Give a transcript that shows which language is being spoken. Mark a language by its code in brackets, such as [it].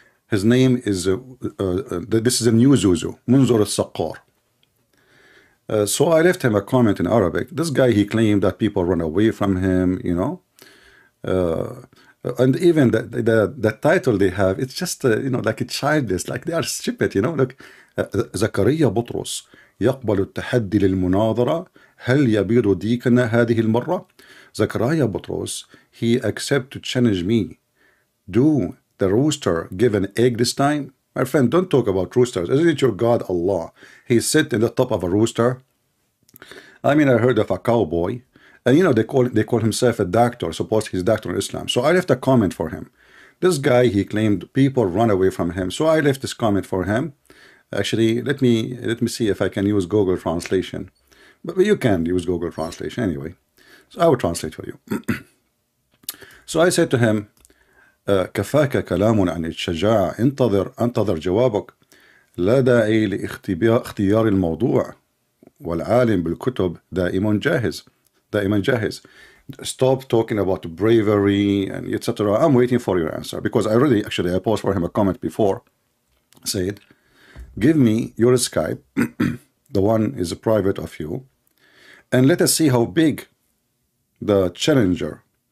[en] His name is, this is a new Zuzu, Munzir al-Saqqar. So I left him a comment in Arabic. This guy, he claimed that people run away from him, you know. And even the title they have, it's just, you know, like a childish, like they are stupid, you know. Look, [ar] Zakaria Butros, يقبل التحدي للمناظرة, هل يبيض ديكنا هذه المرة? [en] Zakaria Butros, he accept to challenge me. Do the rooster give an egg this time? My friend, don't talk about roosters. Isn't it your God, Allah? He sit in the top of a rooster. I mean, I heard of a cowboy. And you know, they call himself a doctor. Suppose he's a doctor in Islam. So I left a comment for him. This guy, he claimed people run away from him. So I left this comment for him. Actually, let me see if I can use Google Translation. But you can use Google Translation anyway. So I will translate for you. So I said to him, [ar] كفاك كلام عن الشجاعة انتظر جوابك لا داعي لاختيار الموضوع والعالم بالكتب دائما جاهز. [en] Stop talking about bravery and etc. I'm waiting for your answer, because I really actually I posed for him a comment before. Said, give me your Skype, the one is a private of you, and let us see how big the challenger.